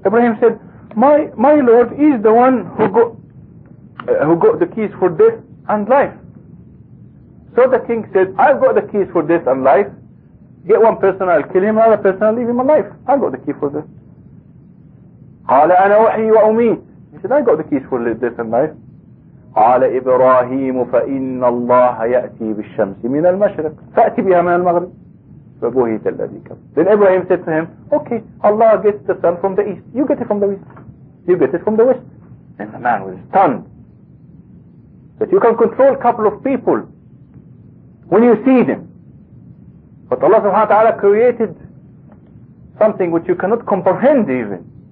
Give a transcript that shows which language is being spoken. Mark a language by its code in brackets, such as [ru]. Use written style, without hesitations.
[en] Ibrahim said, my Lord is the one who got the keys for death and life. So the king said, I've got the keys for death and life. Get one person, I'll kill him. Another person, I'll leave him alive. I've got the key for death. [ar] قال أنا أحيي وأميت. [en] He said, I've got the keys for death and life. [ar] قال إبراهيم فإن الله يأتي بالشمس من المشرق فأتي بها من المغرب فبهت الذي كفر. [en] Then Ibrahim said to him, okay, Allah gets the sun from the east, you get it from the west. You get it from the west. And the man was stunned. That you can control a couple of people when you see them. But Allah subhanahu wa ta'ala created something which you cannot comprehend even.